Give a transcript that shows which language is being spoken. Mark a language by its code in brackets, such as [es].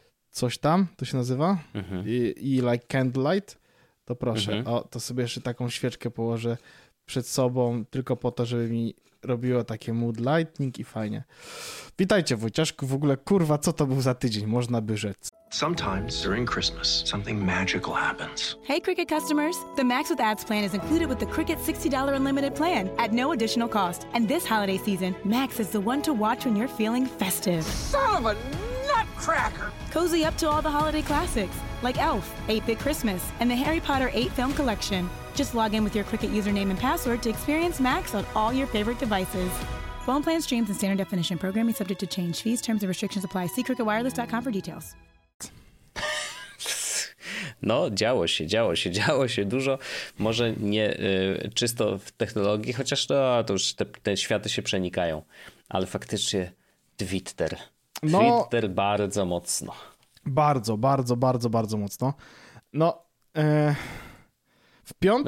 [pl] Coś tam, to się nazywa? Mm-hmm. [en] I like candlelight? [pl] To proszę, o, to sobie jeszcze taką świeczkę położę przed sobą, tylko po to, żeby mi robiło takie mood lightning i fajnie. Witajcie, Wojciaszku, w ogóle, kurwa, co to był za tydzień, można by rzec. [en] Sometimes during Christmas, something magical happens. Hey, Cricket customers, the Max with Ads plan is included with the Cricket $60 unlimited plan at no additional cost. And this holiday season, Max is the one to watch when you're feeling festive. Son of a nutcracker! Cozy up to all the holiday classics, like Elf, 8-Bit Christmas, and the Harry Potter 8 film collection. Just log in with your Cricket username and password to experience Max on all your favorite devices. Phone plan, streams, and standard definition programming subject to change. Fees, terms, and restrictions apply. See CricketWireless.com for details. [pl] No, działo się dużo. Może nie czysto w technologii, chociaż to już te światy się przenikają. Ale faktycznie Twitter. No, Twitter bardzo mocno. Bardzo mocno. No, w piątek...